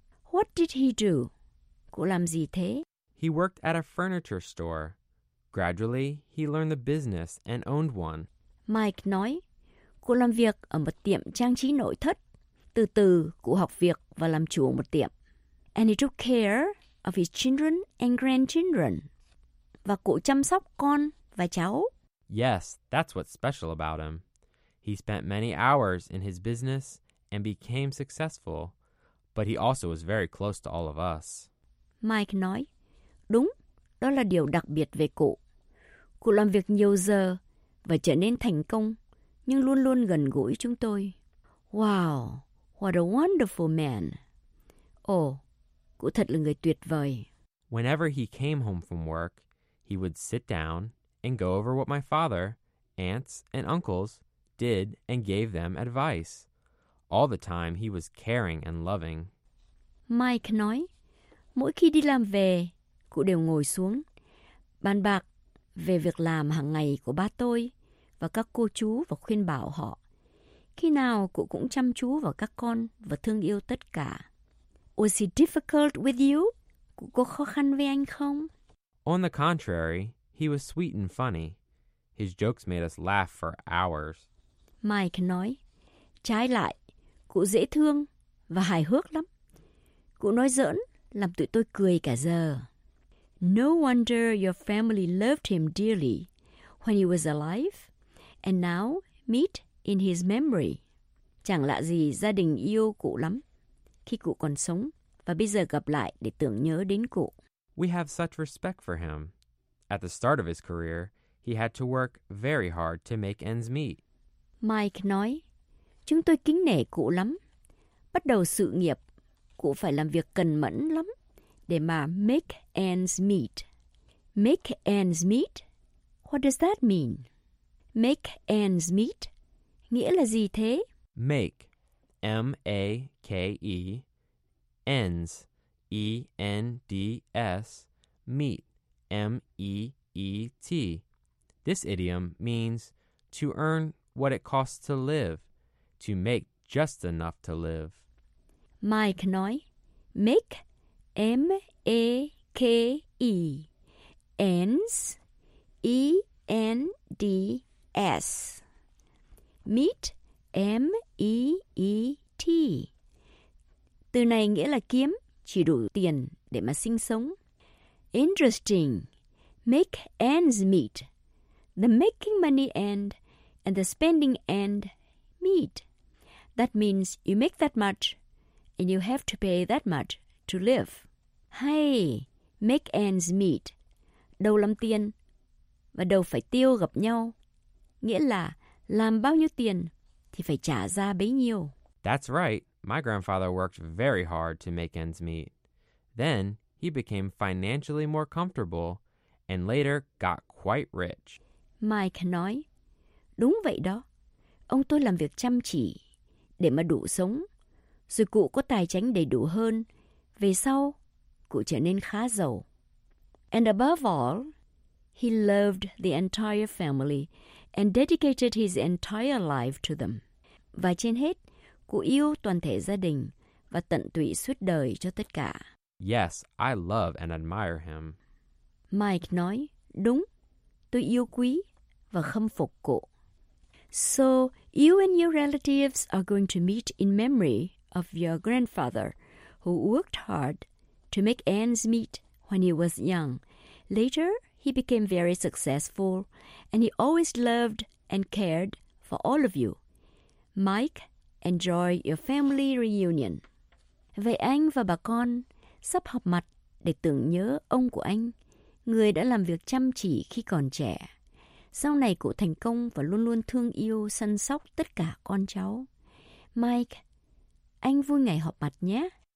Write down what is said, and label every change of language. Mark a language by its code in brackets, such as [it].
[en] What did he do? [vi] Cụ làm gì thế? [en] He worked at a furniture store. Gradually, he learned the business and owned one. [vi] Mike nói, cụ làm việc ở một tiệm trang trí nội thất. Từ từ, cụ học việc và làm chủ một tiệm. [en] And he took care of his children and grandchildren. [vi] Và cụ chăm sóc con và cháu. [en] Yes, that's what's special about him. He spent many hours in his business and became successful, but he also was very close to all of us. [vi] Mike nói, đúng, đó là điều đặc biệt về cụ. Cụ làm việc nhiều giờ và trở nên thành công, nhưng luôn luôn gần gũi chúng tôi. [en] Wow, what a wonderful man. [vi] Oh, cụ thật là người tuyệt vời. [en] Whenever he came home from work, he would sit down and go over what my father, aunts, and uncles did and gave them advice. All the time, he was caring and loving. [vi] Mike nói, mỗi khi đi làm về, cụ đều ngồi xuống, bàn bạc về việc làm hàng ngày của ba tôi và các cô chú và khuyên bảo họ. Khi nào, cụ cũng chăm chú vào các con và thương yêu tất cả. [en] Was he difficult with you? [vi] Cụ có khó khăn với anh không? [en] On the contrary, he was sweet and funny. His jokes made us laugh for hours. [vi] Mike nói, trái lại, cụ dễ thương và hài hước lắm. Cụ nói giỡn, làm tụi tôi cười cả giờ. [en] No wonder your family loved him dearly when he was alive, and now meet in his memory. [vi] Chẳng lạ gì gia đình yêu cụ lắm khi cụ còn sống và bây giờ gặp lại để tưởng nhớ đến cụ. [en] We have such respect for him. At the start of his career, he had to work very hard to make ends meet. [vi] Mike nói, chúng tôi kính nể cụ lắm. Bắt đầu sự nghiệp, cụ phải làm việc cần mẫn lắm để mà [en] make ends meet. Make ends meet? What does that mean? Make ends meet? [vi] Nghĩa là gì thế? [en] Make. M-A-K-E. Ends. E-N-D-S. Meet. M-E-E-T. This idiom means to earn what it costs to live, to make just enough to live. Mike nói, make, M-A-K-E, ends, E-N-D-S, meet, M-E-E-T. [vi] Từ này nghĩa là kiếm, chỉ đủ tiền để mà sinh sống. [en] Interesting, make ends meet. The making money end and the spending end meet. That means you make that much and you have to pay that much to live. Hey, make ends meet. [vi] Đầu làm tiền và đầu phải tiêu gặp nhau. Nghĩa là làm bao nhiêu tiền thì phải trả ra bấy nhiêu. [en] That's right. My grandfather worked very hard to make ends meet. Then he became financially more comfortable and later got quite rich. [vi] Mike nói, đúng vậy đó, ông tôi làm việc chăm chỉ để mà đủ sống, rồi cụ có tài chánh đầy đủ hơn, về sau, cụ trở nên khá giàu. [en] And above all, he loved the entire family and dedicated his entire life to them. [vi] Và trên hết, cụ yêu toàn thể gia đình và tận tụy suốt đời cho tất cả. [en] Yes, I love and admire him. [vi] Mike nói, đúng. Tôi yêu quý và khâm phục cụ. [en] So, you and your relatives are going to meet in memory of your grandfather, who worked hard to make ends meet when he was young. Later, he became very successful, and he always loved and cared for all of you. Mike, enjoy your family reunion. [vi] Vậy anh và bà con sắp họp mặt để tưởng nhớ ông của anh. Người đã làm việc chăm chỉ khi còn trẻ. Sau này cụ thành công và luôn luôn thương yêu, săn sóc tất cả con cháu. Mike, anh vui ngày họp mặt nhé.